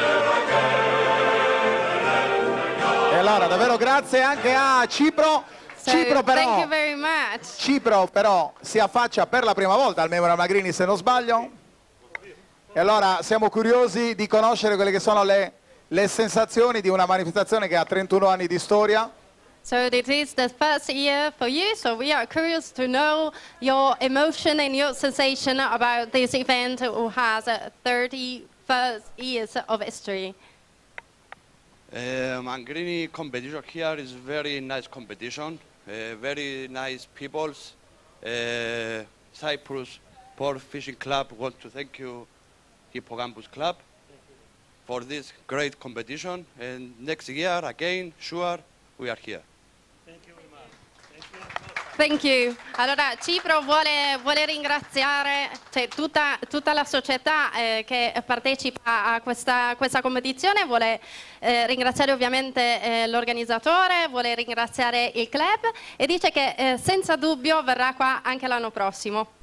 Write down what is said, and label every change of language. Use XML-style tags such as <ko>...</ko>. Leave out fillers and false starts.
<it>E allora davvero grazie anche a Cipro. Cipro però,</it> <en>thank you very much.</en> <it>Cipro però si affaccia per la prima volta al Memorial Magrini, se non sbaglio. E allora siamo curiosi di conoscere quelle che sono le sensazioni di una manifestazione che ha 31 anni di storia.</it> <en>So this is the first year for you, so we are curious to know your emotion and your sensation about this event who has 31st years of history. Magrini competition here is very nice competition. Very nice people, Cyprus Port Fishing Club want to thank you, Hippocampus Club, for this great competition, and next year again, sure, we are here. Thank you.</en> <it>Allora Cipro vuole ringraziare tutta la società che partecipa a questa competizione, vuole ringraziare ovviamente l'organizzatore, vuole ringraziare il club e dice che senza dubbio verrà qua anche l'anno prossimo.</it>